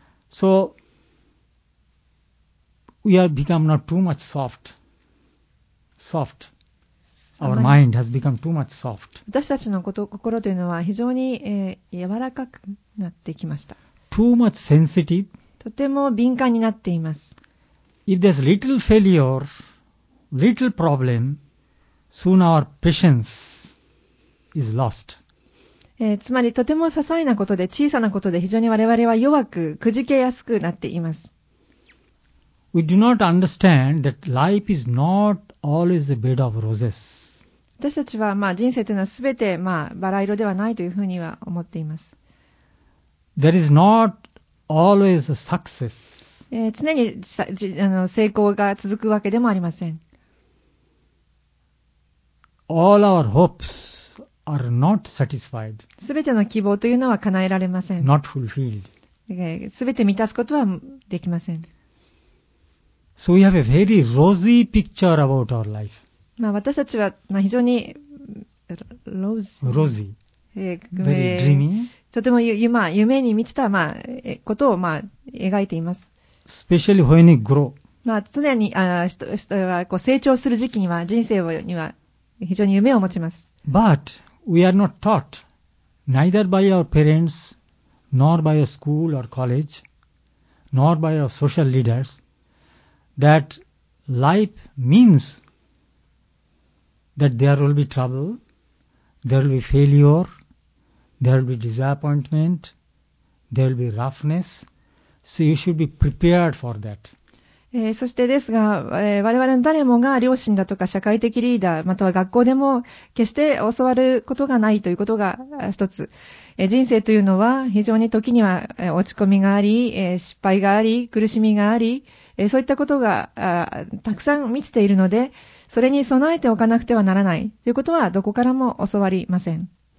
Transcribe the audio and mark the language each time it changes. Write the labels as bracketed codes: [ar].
[en] So,We have become not too much soft. Our mind has become too much soft. [ja] 私たちの心というのは非常に、柔らかくなってきました。 [en] Too much sensitive. [ja] とても敏感になっています。 [en] If there's little failure, little problem, soon our patience is lost. [ja] つまりとても些細なことで小さなことで非常に我々は弱くくじけやすくなっています。 [en] We do not understand that life is not always a bed of roses. [ja] 私たちは、まあ、人生というのは全て、まあ、バラ色ではないというふうには思っています。 [en] There is not always a success. [ja] 常に成功が続くわけでもありません。 [en] All our hopes are not satisfied. [ja] 全ての希望というのは叶えられません。 [en] Not fulfilled. [ja] 全て満たすことはできません。 [en] So we have a very rosy picture about our life. [ja] まあ私たちはまあ非常に rosy、 [en] very dreamy、 [ja] とても夢、まあ、夢に満ちたまあことをまあ描いています。 [en] Especially when we grow. [ja] まあ常に人はこう成長する時期には人生には非常に夢を持ちます。 [en] But we are not taught, neither by our parents, nor by our school or college, nor by our social leaders. That life means that there will be trouble, there will be failure, there will be disappointment, there will be roughness. So you should be prepared for that. [ja] そしてですが、我々の誰もが両親だとか社会的リーダーまたは学校でも決して教わることがないということが一つ、人生というのは非常に時には落ち込みがあり、失敗があり苦しみがあり、そういったことがたくさん満ちているので、それに備えておかなくてはならないということはどこからも教わりません。